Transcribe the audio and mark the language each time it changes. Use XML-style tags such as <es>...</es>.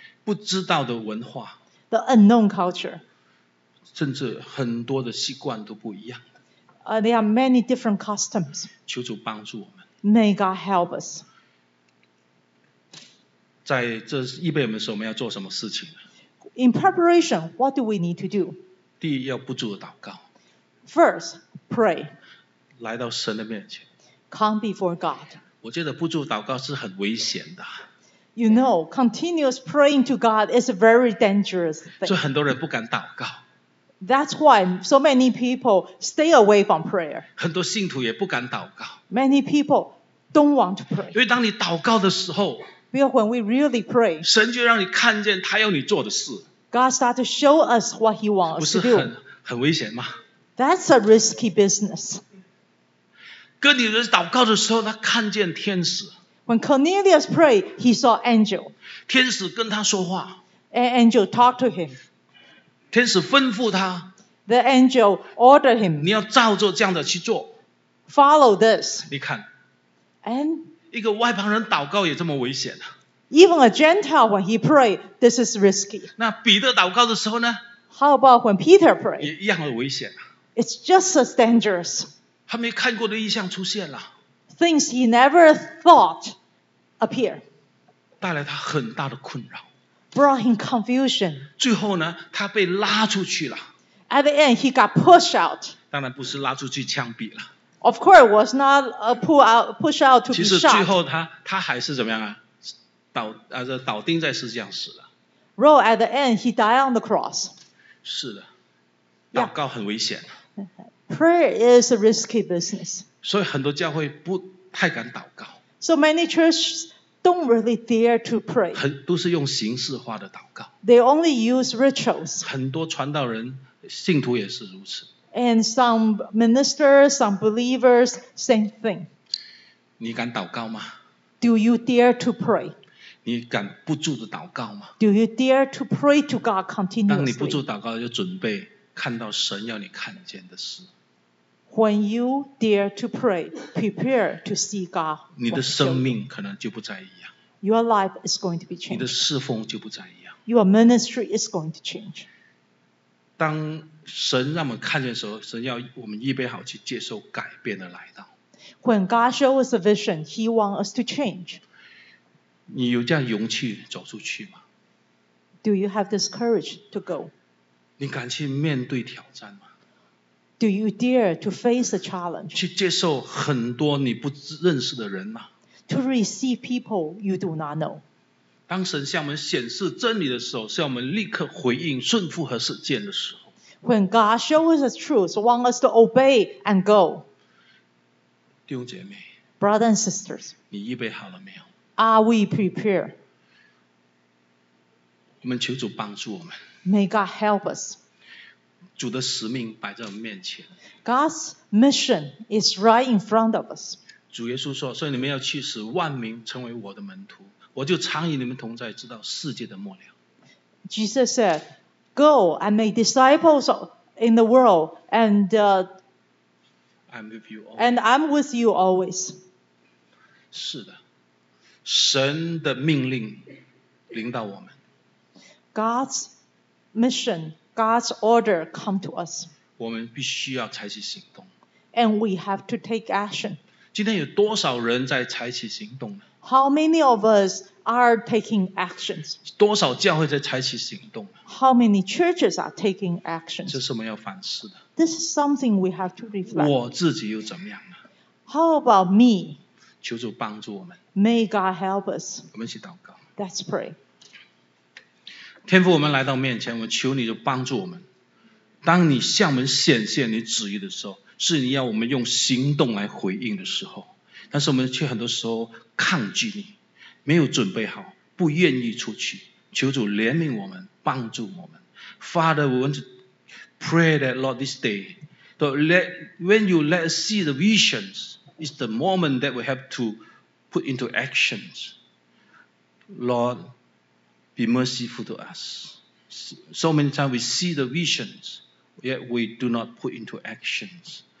<zh>不知道的文化。</zh> <en>The unknown culture.</en> <zh>甚至很多的习惯都不一样。</zh> <en>There are many different customs.</en> <zh>求主帮助我们。</zh> <en>May God help us.</en> <zh>在这预备我们的时候，我们要做什么事情呢</zh> <en>？In preparation, what do we need to do?</en> <zh>第一，要不住的祷告。</zh> <en>First, pray.</en> <zh>来到神的面前。</zh> <en>Come before God.</en> <zh>我觉得不住祷告是很危险的。</zh> <en>You know, continuous praying to God is a very dangerous thing.</en> <zh>所以很多人不敢祷告。</zh> <en>That's why so many people stay away from prayer.</en> <zh>很多信徒也不敢祷告。</zh> <en>Many people don't want to pray.</en> <zh>因为当你祷告的时候</zh> <en>，Because when we really pray,</en> <zh>神就让你看见他要你做的事。</zh> <en>God starts to show us what He wants to do.</en> <zh>不是很危险吗？</zh> <en>That's a risky business.</en> <zh>哥尼流祷告的时候，他看见天使。</zh> <en>When Cornelius prayed, he saw angel.</en> <zh>天使跟他说话。</zh> <en>An angel talked to him.</en> <zh>天使吩咐他。</zh> <en>The angel ordered him.</en> <zh>你要照着这样的去做。</zh> <en>Follow this.</en> <zh>你看。</zh> <en>And</en> <zh>一个外邦人祷告也这么危险啊。</zh> <en>Even a Gentile, when he prayed, this is risky.</en> <zh>那彼得祷告的时候呢？</zh> <en>How about when Peter prayed?</en> <zh>也一样的危险。</zh> <en>It's just as dangerous.</en> <zh>他没看过的异象出现了。</zh> <en>Things he never thought appear.</en> <zh>带来他很大的困扰。</zh> <en>Brought him confusion.</en> <zh>最后呢，他被拉出去了。</zh> <en>At the end, he got pushed out.</en> <zh>当然不是拉出去枪毙了。</zh> <en>Of course, was not a push out to be shot.</en> <zh>其实最后他还是怎么样啊？倒钉在十字架死了。</zh> <en>Roll at the end, he died on the cross.</en> <zh>是的，祷告很危险。</zh> <en>Yeah. Prayer is a risky business.</en> <zh>所以很多教会不太敢祷告。</zh> <en>So many churches don't really dare to pray.</en> <zh>都是用形式化的祷告。</zh> <en>They only use rituals.</en> <zh>很多传道人、信徒也是如此。</zh> <en>And some ministers, some believers, same thing.</en> <zh>你敢祷告吗？</zh> <en>Do you dare to pray?</en> <zh>你敢不住的祷告吗？</zh> <en>Do you dare to pray to God continuously?</en> <zh>当你不住祷告，就准备看到神要你看见的事。</zh> <en>When you dare to pray, prepare to see God.</en> <zh>你的生命可能就不再一样。</zh> <en>Your life is going to be changed.</en> <zh>你的侍奉就不再一样。</zh> <en>Your ministry is going to change.</en> <zh>当神让我们看见的时候，神要我们预备好去接受改变的来到。</zh> <en>When God shows us a vision, He wants us to change.</en> <zh>你有这样勇气走出去吗？</zh> <en>Do you have this courage to go?</en> <zh>你敢去面对挑战吗？</zh> <en>Do you dare to face a challenge?</en> <zh>去接受很多你不认识的人吗？</zh> <en>To receive people you do not know.</en> <zh>当神向我们显示真理的时候，向我们立刻回应、顺服和实践的时候。</zh> <en>When God shows us truth, wants us to obey and go.</en> <zh>弟兄姐妹</zh> <en>Brothers and sisters.</en> <zh>你预备好了没有？</zh> <en>Are we prepared?</en> <zh>我们求主帮助我们。</zh> <en>May God help us.</en> <zh>主的使命摆在我们面前。</zh> <en>God's mission is right in front of us.</en> <zh>主耶稣说，所以你们要去使万民成为我的门徒，我就常与你们同在，直到世界的末了。</zh> <en>Jesus said,Go and make disciples in the world, and I'm with you always. And I'm with you always.</en> <zh>是的，神的命令临到我们。</zh> <en>God's mission, God's order come to us.</en> <zh>我们必须要采取行动。</zh> <en>And we have to take action.</en> <zh>今天有多少人在采取行动呢？</zh> <en>How many of us? Are taking actions.</en> <zh>多少教会在采取行动？</zh> <en>How many churches are taking actions?</en> <zh>这是我们要反思的。</zh> <en>This is something we have to reflect.</en> <zh>我自己又怎么样呢？</zh> <en>How about me?</en> <zh>求主帮助我们。</zh> <en>May God help us.</en> <zh>我们一起祷告。</zh> <en>Let's pray.</en> <zh>天父，我们来到面前，我求你就帮助我们。当你向我们显现你旨意的时候，是你要我们用行动来回应的时候，但是我们却很多时候抗拒你。没有准备好，不愿意出去，求主怜悯我们，帮助我们。</zh> <en>Father, we want to pray that Lord this day, when you let us see the visions, is the moment that we have to put into actions. Lord, be merciful to us. So many times we see the visions, yet we do not put into actions.</en>